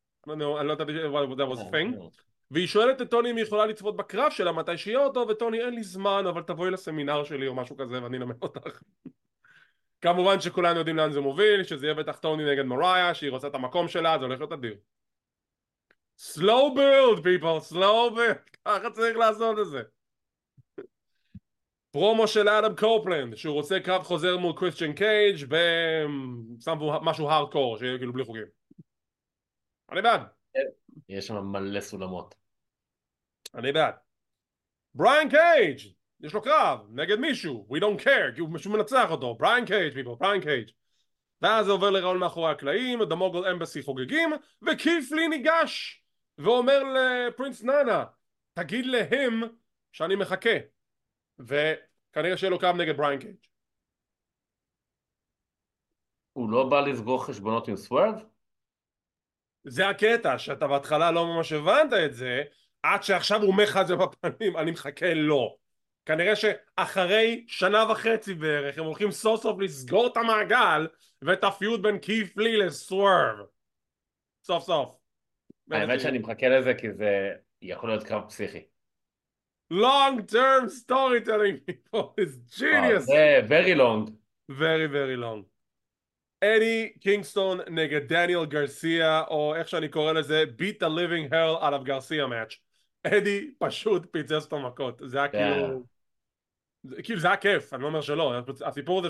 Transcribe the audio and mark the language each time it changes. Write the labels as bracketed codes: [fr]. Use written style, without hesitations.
[he] אני לא יודעת, זה פנג. והיא שואלת את טוני אם היא יכולה לצפות בקרב שלה מתי שיהיה אותו, וטוני אין לי זמן, אבל תבואי לסמינר שלי או משהו כזה ואני אלמד אותך. כמובן שכולם יודעים לאן זה מוביל, שזה יהיה בטח טוני נגד מריה, שהיא רוצה את המקום שלה, זה הולך להיות אדיר. [en] Slow build, people, slow build. [he] ככה צריך לעשות את זה. פרומו של אדם קופלנד, שהוא רוצה קרב חוזר מול קריסטיאן קייג' ושמו משהו הארדקור, שיהיה כאילו בלי חוקים. אני בעד. יש שם מלא סולמות. אני בעד. בריאן קייג', יש לו קרב, נגד מישהו, [en] we don't care, [he] כי הוא משהו מנצח אותו, בריאן קייג', people, בריאן קייג'. ואז זה עובר לרעול מאחורי הקלעים, the Mogul Embassy חוגגים, וקיף לי ניגש, ואומר לפרינס ננה, תגיד להם שאני מחכה. וכנראה שיהיה לו קרב נגד בריאן קייג'. הוא לא בא לסגור חשבונות עם סוורב? זה הקטע, שאתה בהתחלה לא ממש הבנת את זה, עד שעכשיו הוא מחכה זה בפנים, אני מחכה לו. כנראה שאחרי שנה וחצי בערך, הם הולכים סוף סוף לסגור את המעגל, ואת הפיוד בין קיף לי לסוורב. סוף סוף. האמת שאני מחכה לזה, כי זה יכול להיות קרב פסיכי. [en] long term storytelling people is genius very long [he] very very long Eddie Kingston נגד Daniel Garcia או איך שאני קורא לזה [en] beat the living hell out of Garcia match [he] Eddie פשוט פיצץ את המכות זה היה כאילו זה היה כיף אני לא אומר שלא הסיפור הזה